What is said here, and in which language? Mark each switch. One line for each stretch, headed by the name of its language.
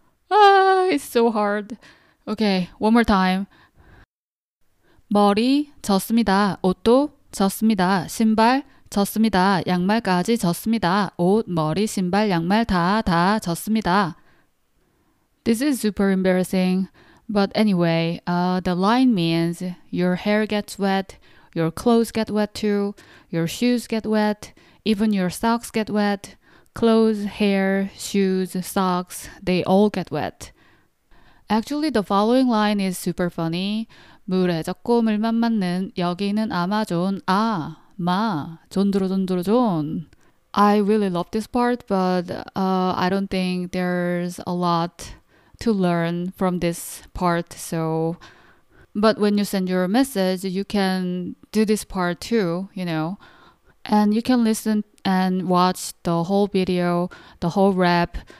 English: Ah, it's so hard. Okay, one more time.
Korean: 머리 젖습니다. 옷도 젖습니다. 신발 젖습니다. 양말까지 젖습니다. 옷, 머리, 신발, 양말 다 젖습니다.
English: This is super embarrassing. But anyway, the line means your hair gets wet, your clothes get wet too, your shoes get wet, even your socks get wet. Clothes, hair, shoes, socks, they all get wet. Actually, the following line is super funny.
Korean: 물에 젖고 물만 맞는 여기는 아마존 아, 마, 존드로존드로존.
English: I really love this part, but I don't think there's a lot to learn from this part, so... But when you send your message, you can do this part too, you know. And you can listen and watch the whole video, the whole rap.